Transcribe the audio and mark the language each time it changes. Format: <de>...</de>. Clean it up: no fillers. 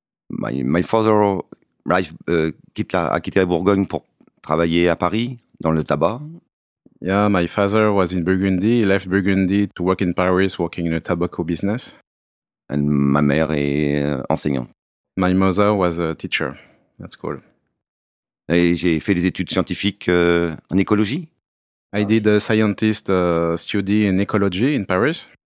<en>My father</en> <fr>quitté la Bourgogne pour travailler à Paris dans le tabac.</fr> <en>Yeah, my father was in Burgundy. He left Burgundy to work in Paris, working in a tobacco business. And</en> <fr>ma mère est enseignante.</fr> <en>My mother was a teacher at school.</en> <fr>Et j'ai fait des études scientifiques en écologie.</fr> <en>I did a scientist study in ecology in Paris.</en>